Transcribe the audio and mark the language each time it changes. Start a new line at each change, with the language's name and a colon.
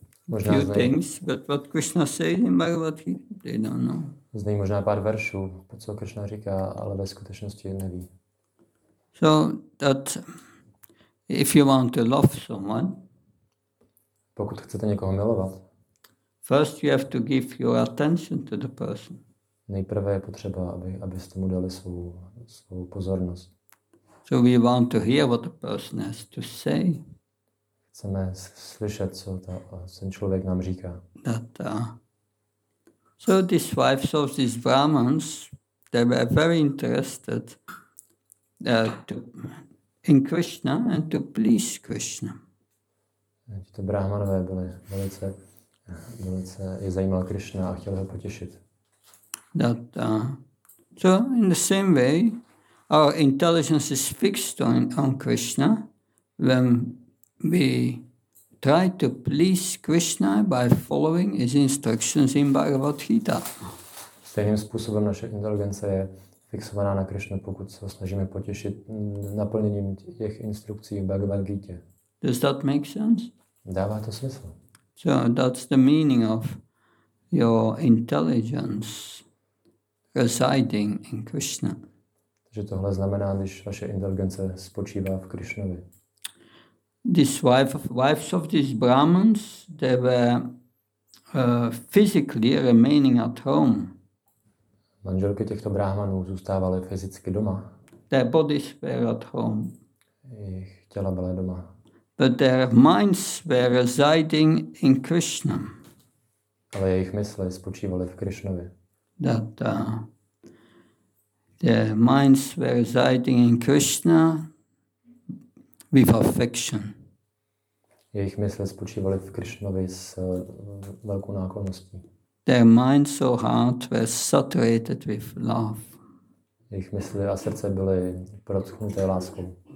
Czech: Možná
English: few things, but what Krishna says in Bhagavad Gita, they don't know.
Czech: Znají možná pár veršů, co Krishna říká, ale ve skutečnosti neví.
English: So that if you want to love someone,
Czech: pokud chcete někoho milovat,
English: first you have to give your attention to the person.
Czech: Nejprve je potřeba, abyste mu dali svou pozornost.
English: So we want to hear what the person has to say.
Czech: Chceme slyšet, co ten člověk nám říká.
English: That, so these wives of these Brahmins, they were very interested in Krishna and to please Krishna.
Czech: Tito Brahmanové byli velice je zajímal Krishna a chtěli ho potěšit.
English: That, so in the same way, our intelligence is fixed on Krishna when we try to please Krishna by following his instructions in Bhagavad Gita.
Czech: Stejným způsobem naše inteligence je fixovaná na Krishna, pokud se snažíme potěšit naplněním těch instrukcí v Bhagavad Gita.
English: Does that make sense?
Czech: Dává to smysl.
English: So that's the meaning of your intelligence residing in Krishna.
Czech: Že tohle znamená, když vaše inteligence spočívá v Krishnovi.
English: These wives of these Brahmins, they were physically remaining at home.
Czech: Manželky těchto Brahmanů zůstávaly fyzicky doma.
English: Their bodies were at home.
Czech: Jejich těla byla doma.
English: But their minds were residing in Krishna.
Czech: Ale jejich mysli spočívaly v Krishnovi.
English: That their minds were residing in Krishna with affection.
Czech: Jejich mysli spočívaly v Krishnovi s velkou nákloností.
English: Their minds or heart were saturated with love.
Czech: Jejich mysli a srdce byly protknuté láskou.